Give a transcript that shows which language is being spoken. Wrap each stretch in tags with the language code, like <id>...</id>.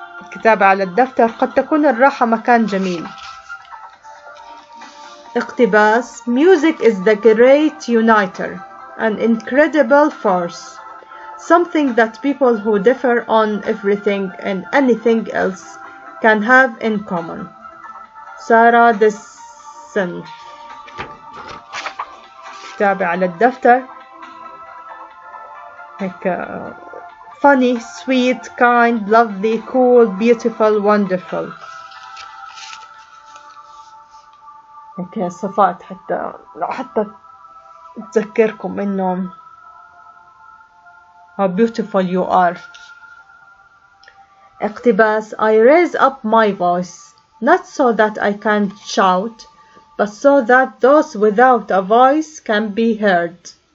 <ar>كتابة على الدفتر: قد تكون الراحة مكان جميل. اقتباس:</ar> <en>Music is the great uniter, an incredible force, something that people who differ on everything and anything else can have in common. Sarah Dessen.</en> <ar>كتابة على الدفتر: هيك</ar> <en>funny, sweet, kind, lovely, cool, beautiful, wonderful.</en> <ar>هيك صفات حتى تذكركم إنه</ar> <en>how beautiful you are.</en> <ar>اقتباس:</ar> <en>I raise up my voice, not so that I can shout, but so that those without a voice can be heard.</en>